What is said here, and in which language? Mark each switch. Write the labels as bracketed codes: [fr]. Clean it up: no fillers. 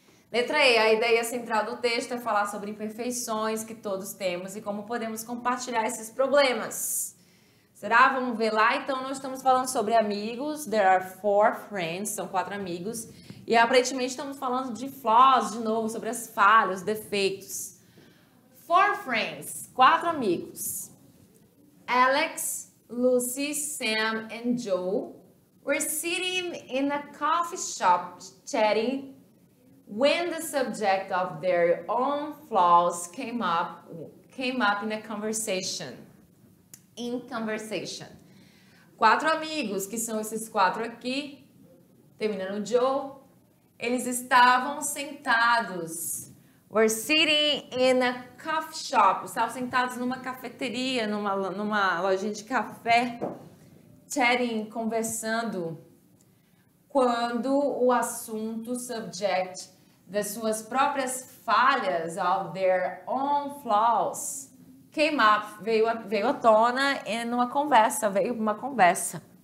[pt] Letra E, a ideia central do texto é falar sobre imperfeições que todos temos e como podemos compartilhar esses problemas. Será? Vamos ver lá. Então, nós estamos falando sobre amigos. [en] There are four friends. [pt] São quatro amigos. E, aparentemente, estamos falando de flaws, de novo, sobre as falhas, defeitos. [en] Four friends. [pt] Quatro amigos. [en] Alex, Lucy, Sam and Joe were sitting in a coffee shop chatting when the subject of their own flaws came up in a conversation. In conversation. [pt] Quatro amigos, que são esses quatro aqui, terminando o Joe, eles estavam sentados. [en] Were sitting in a coffee shop. [pt] Estavam sentados numa cafeteria, numa lojinha de café, chatting, conversando, quando o assunto, subject, das suas próprias falhas, [en] of their own flaws, came up, [pt] veio à tona numa conversa.